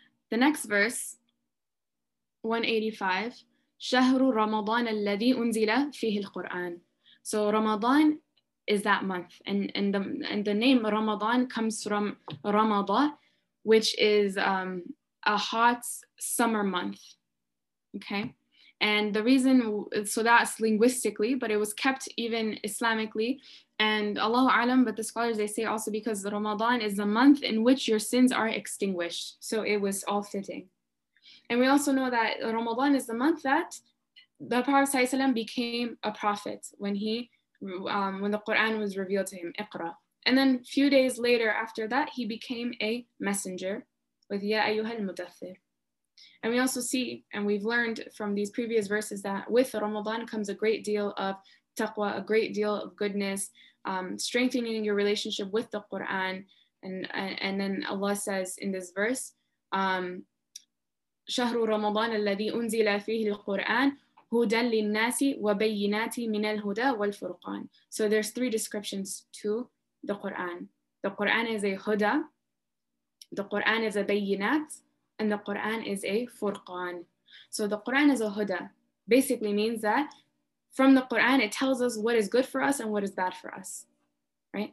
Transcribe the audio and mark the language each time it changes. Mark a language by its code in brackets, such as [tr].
[en] The next verse, 185, [ar] شهر رمضان الذي أنزل فيه القرآن. [en] So Ramadan is that month, and the name Ramadan comes from Ramadan, which is a hot summer month. Okay, and the reason, so that's linguistically, but it was kept even Islamically. And Allahu A'lam, but the scholars, they say also because Ramadan is the month in which your sins are extinguished. So it was all fitting. And we also know that Ramadan is the month that the Prophet ﷺ became a prophet when the Quran was revealed to him, Iqra. And then a few days later after that, he became a messenger with Ya Ayyuha al-Mudathir. And we also see, and we've learned from these previous verses, that with Ramadan comes a great deal of taqwa, a great deal of goodness, strengthening your relationship with the Quran. And then Allah says in this verse, [ar] شهر رمضان الذي أنزل فيه القرآن هدى للناس وبينات من الهدى والفرقان. [en] So there's three descriptions to the Quran. The Quran is a huda, the Quran is a bayinat, and the Quran is a furqan. So the Quran is a huda, basically means that from the Quran, it tells us what is good for us and what is bad for us, right?